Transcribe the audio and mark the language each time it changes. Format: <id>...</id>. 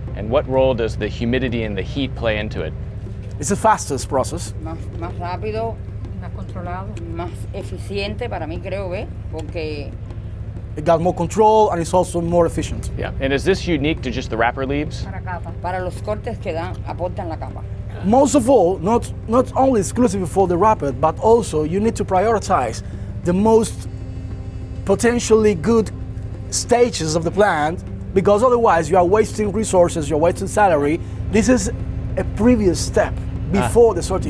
<en>And what role does the humidity and the heat play into it? It's the fastest process.</en> <es>Más rápido. Más controlado. Más eficiente para mí, creo, porque...</es> <en>It got more control and it's also more efficient. Yeah, and is this unique to just the wrapper leaves?</en> <es>Para capa. Para los cortes que dan, aportan la capa.</es> <en>Most of all, not only exclusively for the wrapper, but also you need to prioritize the most potentially good stages of the plant, because otherwise you are wasting resources, you're wasting salary. This is a previous step before the sorting</en>